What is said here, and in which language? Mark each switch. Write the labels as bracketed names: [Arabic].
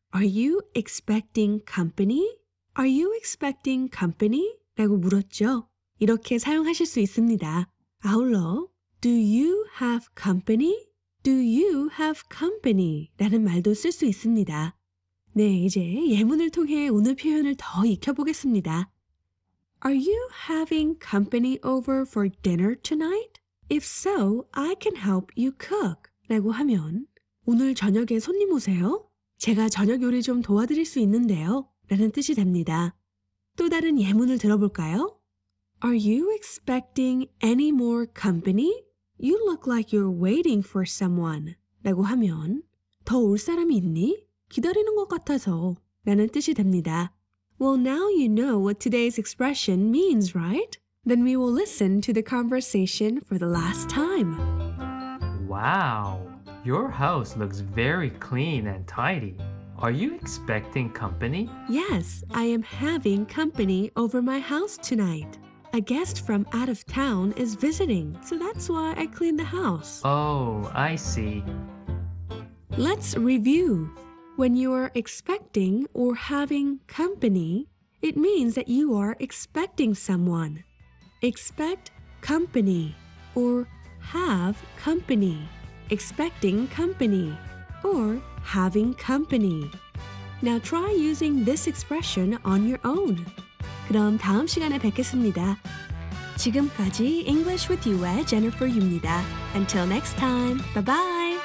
[English] Are you expecting company? Are you expecting company? [Korean] 라고 물었죠. 이렇게 사용하실 수 있습니다. 아울러 [English] Do you have company? Do you have company? [Korean] 라는 말도 쓸 수 있습니다. 네, 이제 예문을 통해 오늘 표현을 더 익혀보겠습니다. [English] Are you having company over for dinner tonight? If so, I can help you cook. [Korean] 라고 하면 오늘 저녁에 손님 오세요? 제가 저녁 요리 좀 도와드릴 수 있는데요. 라는 뜻이 됩니다. 또 다른 예문을 들어볼까요? [English] Are you expecting any more company? You look like you're waiting for someone. [Korean] 라고 하면 더 올 사람이 있니? 기다리는 것 같아서 라는 뜻이 됩니다. [English] Well, now you know what today's expression means, right? Then we will listen to the conversation for the last time. Wow, your house looks very clean and tidy. Are you expecting company? Yes, I am having company over my house tonight. A guest from out of town is visiting, so that's why I cleaned the house. Oh, I see. Let's review. When you are expecting or having company, it means that you are expecting someone. Expect company or have company. Expecting company or having company. Now try using this expression on your own. [Korean] 그럼 다음 시간에 뵙겠습니다. 지금까지 English with You의 Jennifer 유입니다. [English] Until next time, bye-bye!